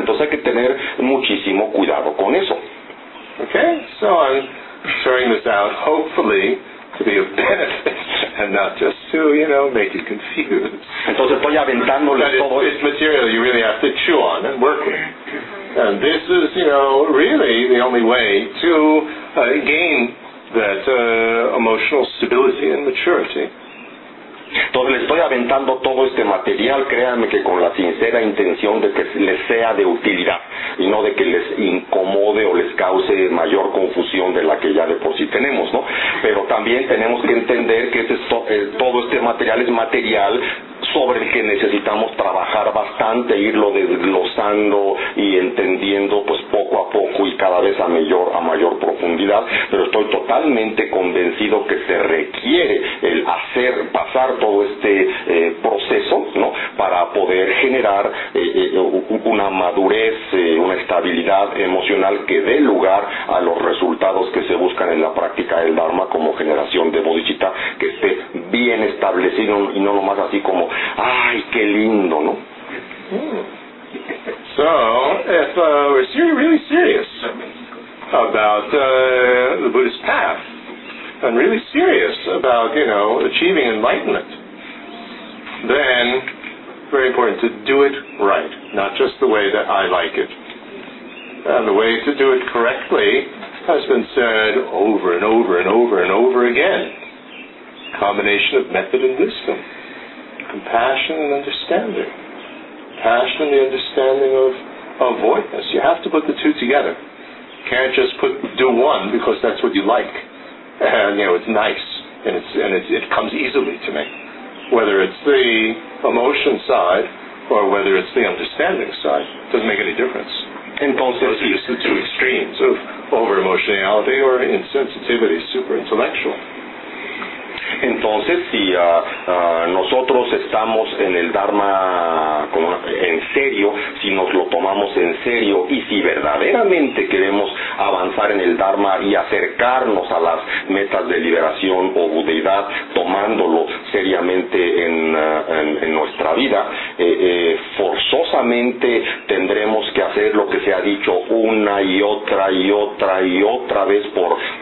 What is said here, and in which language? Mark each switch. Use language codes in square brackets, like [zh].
[es] Entonces hay que tener muchísimo cuidado con eso. [en] Okay, so I'm throwing this out, hopefully to be of benefit and not just to, you know, make you confused. [es] Entonces estoy aventándoles todo. [en] It's material you really have to chew on and work with. And this is, you know, really the only way to gain that emotional stability and maturity. [es] Entonces le estoy aventando todo este material, créanme que con la sincera intención de que les sea de utilidad y no de que les incomode o les cause mayor confusión de la que ya de por sí tenemos, ¿no? Pero también tenemos que entender que todo este material es material sobre el que necesitamos trabajar bastante, irlo desglosando y entendiendo pues poco a poco y cada vez a mayor profundidad, pero estoy totalmente convencido que se requiere el hacer pasar todo este proceso, ¿no? Para poder generar una madurez, una estabilidad emocional que dé lugar a los resultados que se buscan en la práctica del Dharma como generación de bodhicitta, que esté bien establecido y no nomás así como ay, qué lindo, ¿no? [en] So, if we're really serious about the Buddhist path, and really serious about, you know, achieving enlightenment, then very important to do it right, not just the way that I like it. And the way to do it correctly has been said over and over and over and over again. Combination of method and wisdom. Compassion and understanding. Passion and the understanding of avoidance. You have to put the two together. Can't just do one because that's what you like. And, you know, it's nice. And it comes easily to me. Whether it's the emotion side or whether it's the understanding side, it doesn't make any difference. [es] Entonces, [en] those are just the two extremes of over-emotionality or insensitivity, super-intellectual. [es] Entonces, si nosotros estamos en el Dharma en serio, si nos lo tomamos en serio y si verdaderamente queremos avanzar en el Dharma y acercarnos a las metas de liberación o budeidad, tomándolo seriamente en nuestra vida, forzosamente tendremos que hacer lo que se ha dicho una y otra y otra y otra vez por